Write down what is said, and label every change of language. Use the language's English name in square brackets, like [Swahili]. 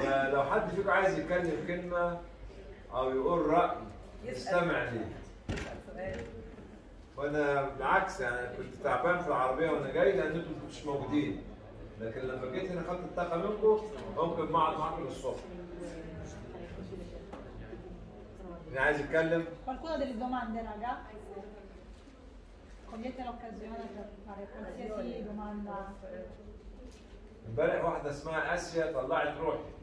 [Arabic] لو حد فيكم عايز يتكلم كلمة أو يقول رأي يستمع لي. وأنا بالعكس أنا كنت تعبان في العربية وأنا جاي لأن أنتم مش موجودين، لكن لما جيت هنا خدت الطاقة منكم ممكن أقعد معاكم الصبح. مين عايز يتكلم؟ [Italian] qualcuno delle domande raga cogliete l'occasione per fare qualsiasi domanda. [Arabic] امبارح واحدة اسمها آسيا طلعت روحي.